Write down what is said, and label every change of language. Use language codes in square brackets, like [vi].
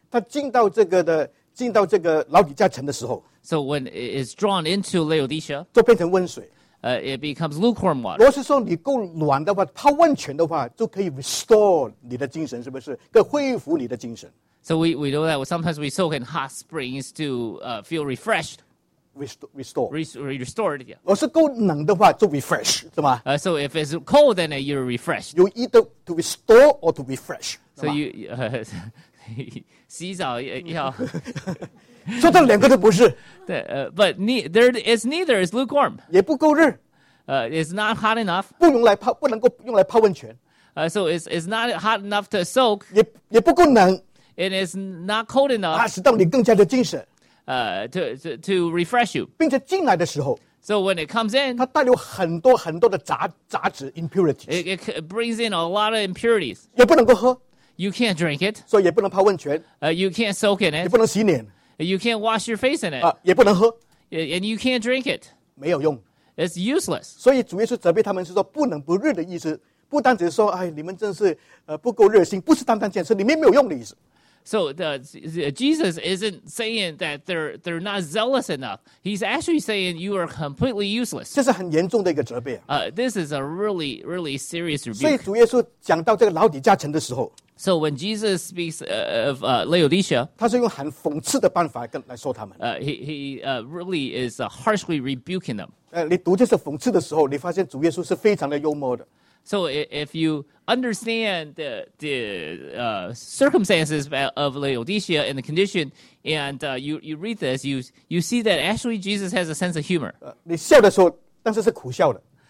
[zh] 它进到这个老底家城的时候 [en] ，So when it's drawn into Laodicea, [zh] 就变成温水。 [en] It becomes lukewarm water. [zh] 罗斯说，你够暖的话，泡温泉的话，就可以 restore 你的精神，是不是？可以恢复你的精神。 [en] So we know that sometimes we soak in hot springs to feel refreshed. Restored. Yeah. [zh] 我是够冷的话就 refresh 是吗 [en] So if it's cold, then you're refreshed. You either to restore or to refresh. So you 洗澡要。 [zh] 说到两个都不是。 [en] 对but there is neither is lukewarm. [zh] 也不够热。 [en] It's not hot enough. [zh] 不能够用来泡温泉。 [en] So it's not hot enough to soak. [zh] 也不够冷。 [en] And it's not cold enough. [zh] 使到你更加的精神。 [en] To refresh you. [zh] 并且进来的时候 [en] So when it comes in, [zh] 它带有很多很多的杂质 impurities. [en] It brings in a lot of impurities. [zh] 也不能够喝 [en] You can't drink it. [zh] 所以也不能泡温泉 [en] You can't soak in it. [zh] 也不能洗脸 [en] You can't wash your face in it. [zh] 也不能喝 [en] And you can't drink it. [zh] 没有用 [en] It's useless. [zh] 所以主耶稣责备他们是说不冷不热的意思不单只是说哎，你们真是不够热心不是单单这样是里面没有用的意思 [en] So Jesus isn't saying that they're not zealous enough. He's actually saying you are completely useless. [zh] 这是很严重的一个责备。 [en] This is a really, really serious rebuke. [zh] 所以主耶稣讲到这个老底家城的时候 [en] ，So when Jesus speaks of Laodicea, [zh] 他是用很讽刺的办法来说他们。 [en] He really is harshly rebuking them. [zh] 你读这些讽刺的时候，你发现主耶稣是非常的幽默的。 [en] So if you understand the circumstances of Laodicea and the condition, and you read this, you see that actually Jesus has a sense of humor. [zh] 你笑的时候，但是苦笑的。